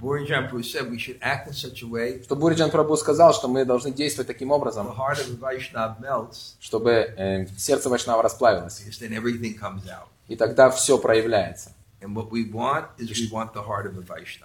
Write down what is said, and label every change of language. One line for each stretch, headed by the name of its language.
English: Bhurijan Prabhu said we should act in such a way.
Russian: Что Бхурджан Прабху сказал, что мы должны действовать таким образом.
English: The heart of a Vaishnava melts.
Russian: Чтобы сердце Вайшнава расплавилось.
English: Then everything comes out.
Russian: И тогда все проявляется.
English: And what we want is we want the heart of a Vaishnava.